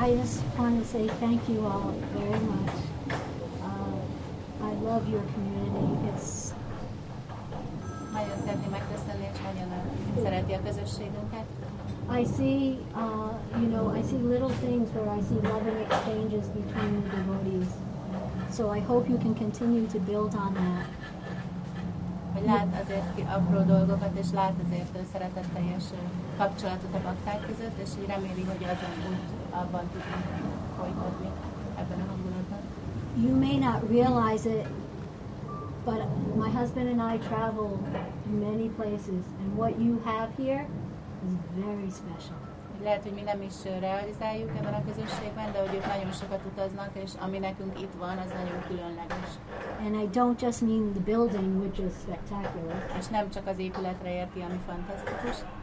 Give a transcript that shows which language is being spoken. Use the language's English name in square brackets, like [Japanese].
[English] I just want to say thank you all very much. I love your community. It's... [Hungarian] Nagyon szeretném megköszönni, és nagyon szereti a közösségünket. [English] I see, you know, I see little things where I see loving exchanges between the devotees. So I hope you can continue to build on that. [Hungarian] Hogy lát azért apró dolgokat, és lát azért szeretetteljes kapcsolatot a bakták között, és így reméli, hogy azon úgy abban tudunk folytatni ebben a hangulatban. [English] You may not realize it, but my husband and I travel many places, and what you have here is very special. [Hungarian] Lehet, hogy mi nem is realizáljuk ebben a közösségben, de hogy ők nagyon sokat utaznak, és ami nekünk itt van, az nagyon különleges. [English] And I don't just mean the building, which is spectacular. [Hungarian] És nem csak az épületre érti, ami fantasztikus.